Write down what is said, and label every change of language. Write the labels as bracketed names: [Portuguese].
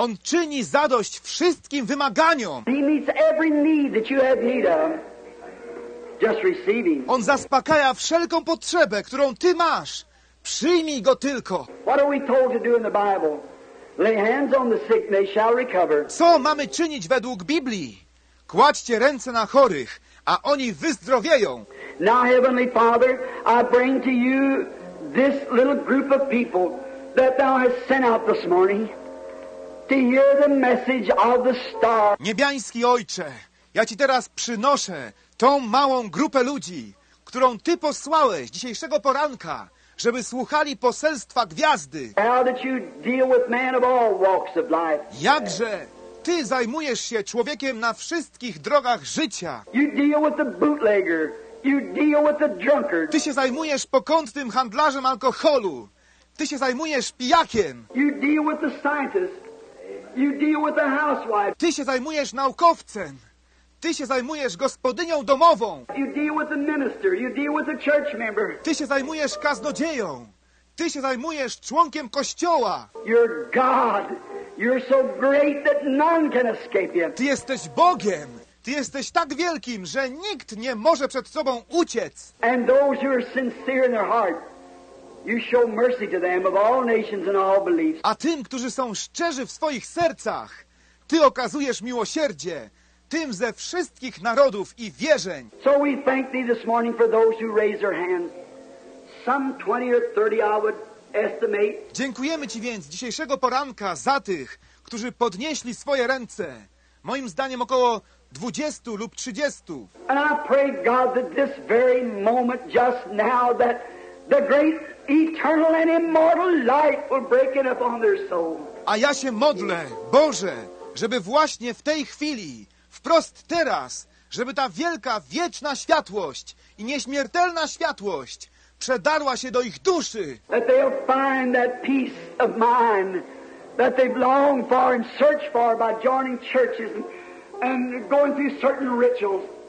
[Polish] On czyni zadość wszystkim wymaganiom. [English] He meets every need that you have need of. Just receiving. [Polish] On zaspokaja wszelką potrzebę, którą ty masz. Przyjmij go tylko. [English] What are we told to do in the Bible? Lay hands on the sick, they shall recover. [Polish] Co mamy czynić według Biblii? Kładźcie ręce na chorych, a oni wyzdrowieją. [English] Now, Heavenly Father, I bring to you this little group of people that thou hast sent out this morning to hear the message of the star. [Polish] Niebiański Ojcze, ja ci teraz przynoszę tą małą grupę ludzi, którą ty posłałeś dzisiejszego poranka, żeby słuchali poselstwa gwiazdy. [English] How did you deal with man of all walks of life? [Polish] Jakże ty zajmujesz się człowiekiem na wszystkich drogach życia. [English] You deal with the bootlegger. You deal with the drunkard. [Polish] Ty się zajmujesz pokątnym handlarzem alkoholu. Ty się zajmujesz pijakiem. [English] You deal with the scientist. You deal with the housewife. [Polish] Ty się zajmujesz naukowcem. Ty się zajmujesz gospodynią domową. [English] You deal with the minister. You deal with the church member. [Polish] Ty się zajmujesz kaznodzieją. Ty się zajmujesz członkiem kościoła. [English] You're God. You're so great that none can escape you. [Polish] Ty jesteś Bogiem. Ty jesteś tak wielkim, że nikt nie może przed Tobą uciec. [English] And those who are sincere in their heart, you show mercy to them of all nations and all beliefs. [Polish] A tym, którzy są szczerzy w swoich sercach, Ty okazujesz miłosierdzie tym ze wszystkich narodów i wierzeń. [English] So we thank Thee this morning for those who raise their hands. Some 20 or 30 I would estimate. [Polish] Dziękujemy Ci więc dzisiejszego poranka za tych, którzy podnieśli swoje ręce. Moim zdaniem około 20 lub 30. [English] And I pray God that this very moment just now that the great eternal and immortal light will break in upon their soul. [Polish] A ja się modlę, Boże, żeby właśnie w tej chwili, wprost teraz, żeby ta wielka, wieczna światłość i nieśmiertelna światłość przedarła się do ich duszy. [English] That they'll find that peace of mind that they've longed for and searched for by joining churches and going through certain rituals.